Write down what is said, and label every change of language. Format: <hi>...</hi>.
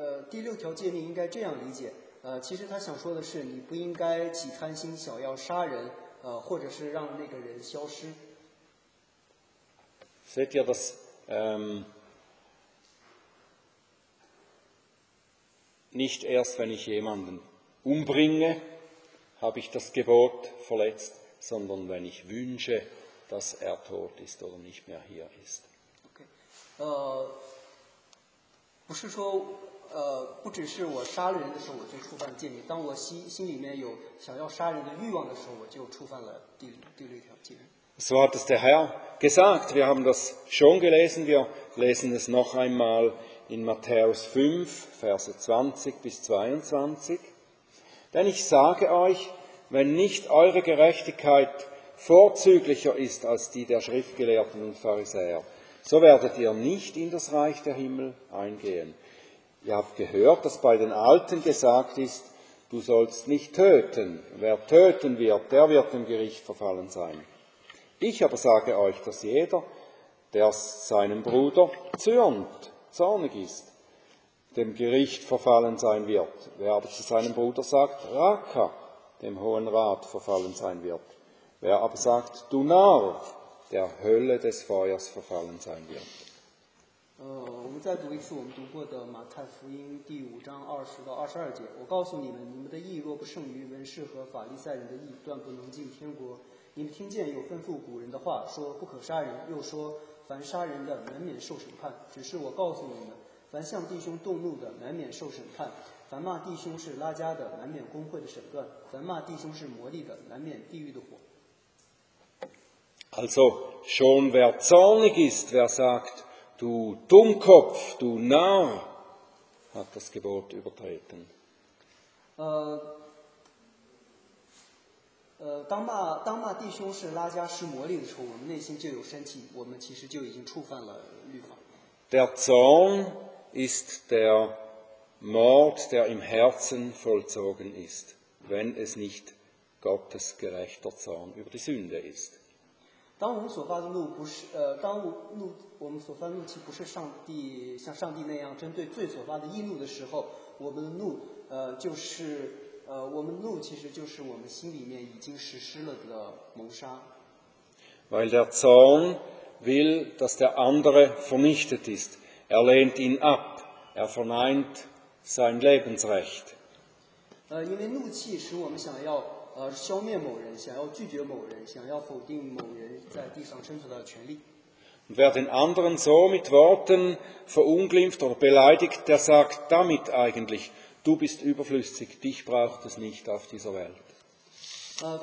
<zh>第六条诫命应该这样理解，其实他想说的是，你不应该起贪心，想要杀人，或者是让那个人消失。</zh> <de>Seht ihr das, nicht erst wenn ich jemanden umbringe, habe ich das Gebot verletzt, sondern wenn ich wünsche, dass tot ist oder nicht mehr hier ist. Okay.</de> <zh>不是说不只是我杀了人的时候我就触犯戒律，当我心里面有想要杀人的欲望的时候，我就触犯了第六条戒律。</zh> <de>So hat es der Herr gesagt. Wir haben das schon gelesen. Wir lesen es noch einmal in Matthäus 5, Verse 20 bis 22. Denn ich sage euch, wenn nicht eure Gerechtigkeit vorzüglicher ist als die der Schriftgelehrten und Pharisäer, so werdet ihr nicht in das Reich der Himmel eingehen. Ihr habt gehört, dass bei den Alten gesagt ist, du sollst nicht töten. Wer töten wird, der wird dem Gericht verfallen sein. Ich aber sage euch, dass jeder, der seinem Bruder zornig ist, dem Gericht verfallen sein wird. Wer aber zu seinem Bruder sagt, Raka, dem Hohen Rat verfallen sein wird. Wer aber sagt, du Narr, der Hölle des Feuers verfallen sein wird.</de> <zh>我们再读一次我们读过的马太福音第五章二十到二十二节。我告诉你们，你们的义若不胜于文士和法利赛人的义，断不能进天国。你们听见有吩咐古人的话，说不可杀人，又说凡杀人的难免受审判。只是我告诉你们，凡向弟兄动怒的难免受审判，凡骂弟兄是拉加的难免公会的审判，凡骂弟兄是魔力的难免地狱的火。</zh> <de>Also schon wer zornig ist, wer sagt, du Dummkopf, du Narr, hat das Gebot übertreten.</de> <zh>当骂弟兄是拉加是魔力的时候，我们内心就有生气，我们其实就已经触犯了律法。</zh> <de>Der Zorn ist der Mord, der im Herzen vollzogen ist, wenn es nicht Gottes gerechter Zorn über die Sünde ist.</de> <zh>当我们所发的怒气不是上帝像上帝那样针对罪所发的义怒的时候，我们的怒就是。我们怒其实就是我们心里面已经实施了的谋杀。</zh> <de>Weil der Zorn will, dass der andere vernichtet ist. Er lehnt ihn ab. Er verneint sein Lebensrecht.</de> <zh>因为怒气使我们想要消灭某人，想要拒绝某人，想要否定某人在地上生存的权利。</zh> <de>Wer den anderen so mit Worten verunglimpft oder beleidigt, der sagt damit eigentlich, du bist überflüssig, dich braucht es nicht auf dieser Welt.</de>